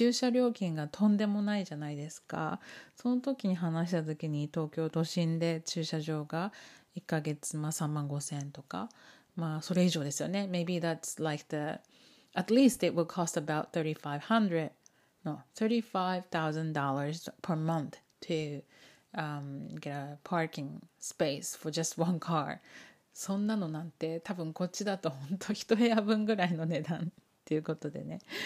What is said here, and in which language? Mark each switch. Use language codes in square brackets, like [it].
[ja] 駐車料金がとんでもないじゃないですか。その時に話した時に東京都心で駐車場が1ヶ月、まあ、3万5千円とか。まあそれ以上ですよね。 [en] Maybe that's like the... At least it will cost about $35,000 per month to... get a parking space for just one car. [ja] そんなのなんて多分こっちだと本当一部屋分ぐらいの値段っていうことでね。